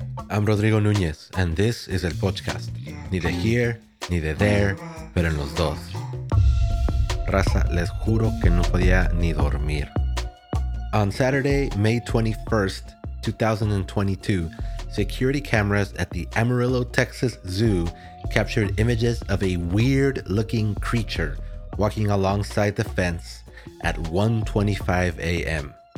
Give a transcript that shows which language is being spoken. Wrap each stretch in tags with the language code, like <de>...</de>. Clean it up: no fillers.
<en>I'm Rodrigo Núñez, and this is</en> <es>el podcast.</es> <en>Neither here, neither there,</en> <es>pero en los dos. Raza, les juro que no podía ni dormir.</es> <en>On Saturday, May 21st, 2022, security cameras at the Amarillo, Texas Zoo captured images of a weird-looking creature walking alongside the fence at 1:25 a.m.</en>